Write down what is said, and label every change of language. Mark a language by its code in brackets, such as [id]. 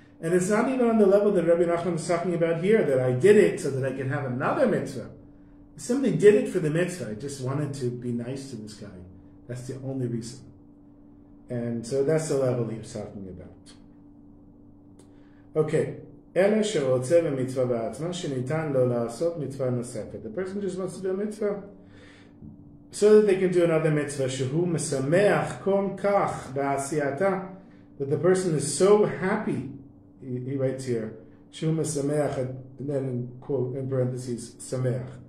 [en] And it's not even on the level that Rebbe Nachman is talking about here, that I did it so that I can have another mitzvah. I simply did it for the mitzvah. I just wanted to be nice to this guy. That's the only reason. And so that's the level he was talking about. Okay. [he] אלא שרוצה במצווה בעצמה שניתן לו לעשות מצווה נוספת. [en] The person just wants to do a mitzvah so that they can do another mitzvah [he] שהוא משמח כל כך בעשייתה, [en] that the person is so happy, he writes here, שהוא משמח, and then in quote, in parentheses, שמח.